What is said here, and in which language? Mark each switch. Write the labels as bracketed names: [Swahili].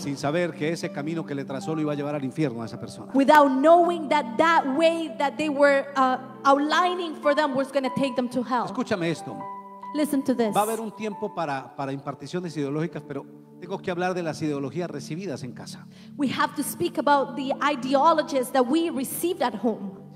[Spanish] Sin saber que ese camino que le trazó lo iba a llevar al infierno a esa persona. [English] Without knowing that that way that they were outlining for them was going to take them to hell. [Spanish] Escúchame esto. [English] Listen to this. [Spanish] Va a haber un tiempo para imparticiones ideológicas, pero tengo que hablar de las ideologías recibidas en casa. [English] We have to speak about the ideologies that we received at home.